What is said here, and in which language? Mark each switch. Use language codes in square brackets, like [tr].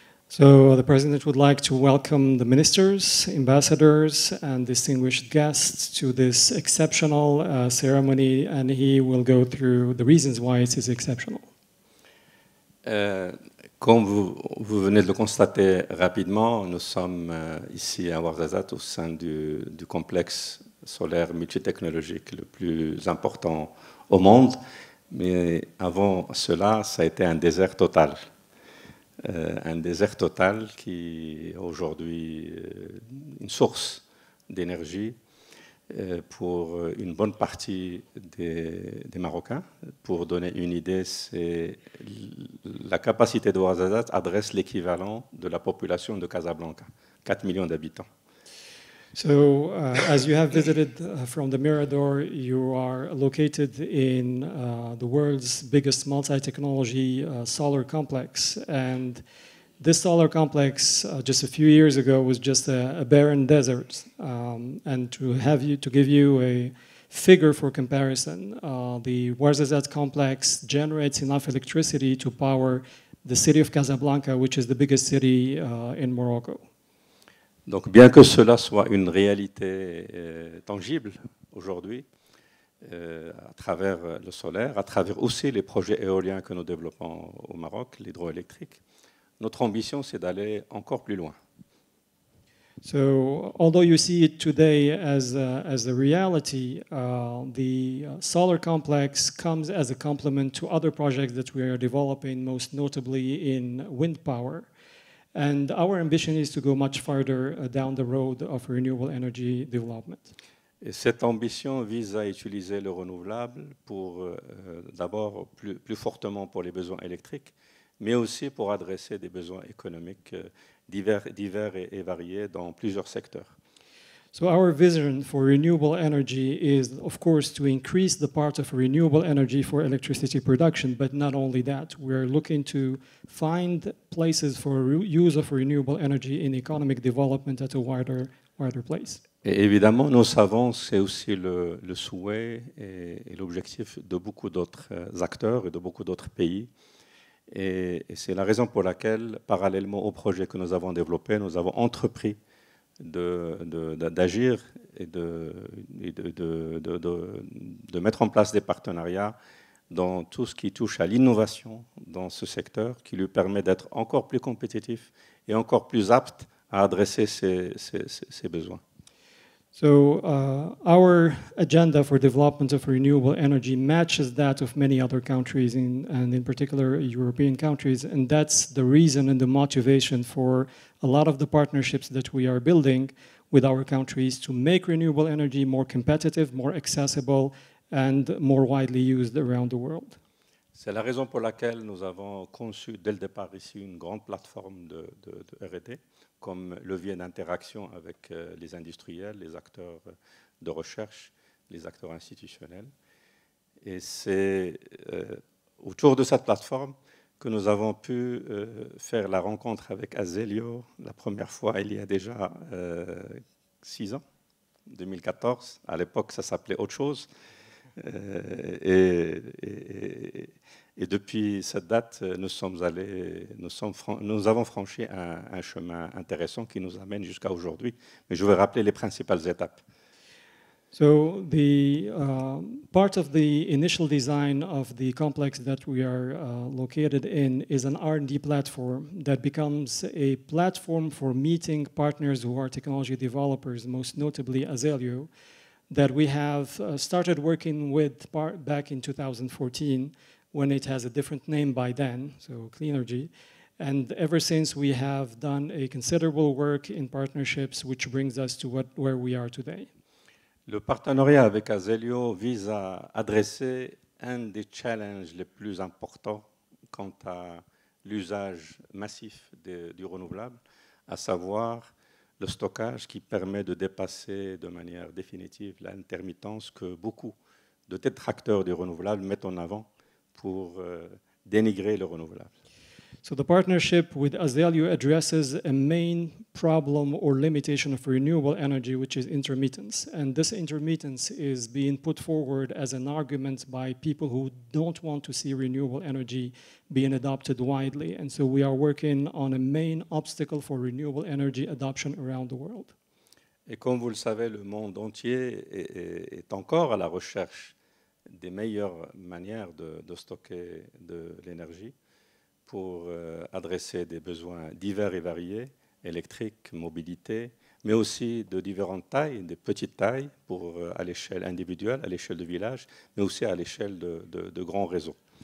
[en] So the president would like to welcome the ministers, ambassadors, and distinguished guests to this exceptional ceremony, and he will go through the reasons why it is exceptional. [fr] Comme vous venez de le constater rapidement, nous sommes ici à Ouarzazate au sein du complexe solaire multitechnologique le plus important au monde. Mais avant cela, ça a été un désert total. Un désert total qui est aujourd'hui une source d'énergie pour une bonne partie des Marocains. Pour donner une idée, c'est la capacité de Ouarzazate adresse l'équivalent de la population de Casablanca, 4 millions d'habitants. [en] So, as you have visited from the Mirador, you are located in the world's biggest multi-technology solar complex. And this solar complex, just a few years ago, was just a barren desert. And to give you a figure for comparison, the Ouarzazate complex generates enough electricity to power the city of Casablanca, which is the biggest city in Morocco. [fr] Donc, bien que cela soit une réalité tangible aujourd'hui, à travers le solaire, à travers aussi les projets éoliens que nous développons au Maroc, l'hydroélectrique, notre ambition, c'est d'aller encore plus loin. [en] So, although you see it today as a reality, the solar complex comes as a complement to other projects that we are developing, most notably in wind power. And our ambition is to go much further down the road of renewable energy development. [fr] Et cette ambition vise à utiliser le renouvelable pour d'abord plus fortement pour les besoins électriques, mais aussi pour adresser des besoins économiques divers et variés dans plusieurs secteurs. [en] So our vision for renewable energy is, of course, to increase the part of renewable energy for electricity production, but not only that. We're looking to find places for use of renewable energy in economic development at a wider place. [fr] Et évidemment, nous savons, c'est aussi le souhait et l'objectif de beaucoup d'autres acteurs et de beaucoup d'autres pays. Et c'est la raison pour laquelle, parallèlement au projet que nous avons développé, nous avons entrepris d'agir et de mettre en place des partenariats dans tout ce qui touche à l'innovation dans ce secteur qui lui permet d'être encore plus compétitif et encore plus apte à adresser ses besoins. [en] So our agenda for development of renewable energy matches that of many other countries, in particular European countries, and that's the reason and the motivation for a lot of the partnerships that we are building with our countries to make renewable energy more competitive, more accessible, and more widely used around the world. [fr] C'est la raison pour laquelle nous avons conçu dès le départ ici une grande plateforme de R&D comme levier d'interaction avec les industriels, les acteurs de recherche, les acteurs institutionnels. Et c'est autour de cette plateforme que nous avons pu faire la rencontre avec Azelio la première fois il y a déjà 6 ans, 2014. À l'époque, ça s'appelait autre chose. Et depuis cette date, nous avons franchi un chemin intéressant qui nous amène jusqu'à aujourd'hui. Mais je vais rappeler les principales étapes. [en] So the part of the initial design of the complex that we are located in is an R&D platform that becomes a platform for meeting partners who are technology developers, most notably Azelio, that we have started working with back in 2014 when it has a different name by then, so Cleanergy. And ever since, we have done a considerable work in partnerships, which brings us to where we are today. [fr] Le partenariat avec Azelio vise à adresser un des challenges les plus importants quant à l'usage massif du renouvelable, à savoir le stockage qui permet de dépasser de manière définitive l'intermittence que beaucoup de détracteurs du renouvelable mettent en avant pour dénigrer le renouvelable. [en] So the partnership with Azelio addresses a main problem or limitation of renewable energy, which is intermittence. And this intermittence is being put forward as an argument by people who don't want to see renewable energy being adopted widely. And so we are working on a main obstacle for renewable energy adoption around the world. [fr] Et comme vous le savez, le monde entier est encore à la recherche des meilleures manières de stocker de l'énergie pour adresser des besoins divers et variés, électriques, mobilité, mais aussi de différentes tailles, de petites tailles, pour à l'échelle individuelle, à l'échelle de village, mais aussi à l'échelle de grands réseaux.